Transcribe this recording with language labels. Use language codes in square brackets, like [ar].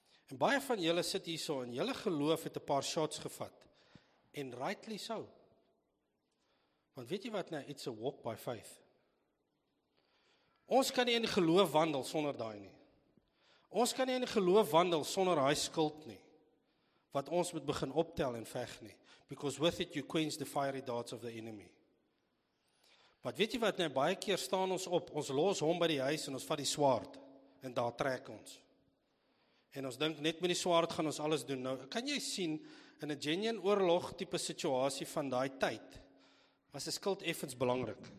[af] En baie van julle sit hier so en julle geloof het 'n paar shots gevat. En [en] rightly so. [af] Want weet jy wat nou, [en] it's a walk by faith. [af] Ons kan nie in geloof wandel sonder daai nie. Ons kan nie in geloof wandel sonder daai skuld nie. Wat ons moet begin optel en veg nie. [en] Because with it you quench the fiery darts of the enemy. [af] Maar weet jy wat nou, baie keer staan ons op, ons los hom by die huis en ons vat die swaard. En daar trek ons. En ons dink, net met die swaard gaan ons alles doen. Nou, kan jy sien, in 'n genuine oorlog type situasie van daai tyd, was die skuld effens belangrik.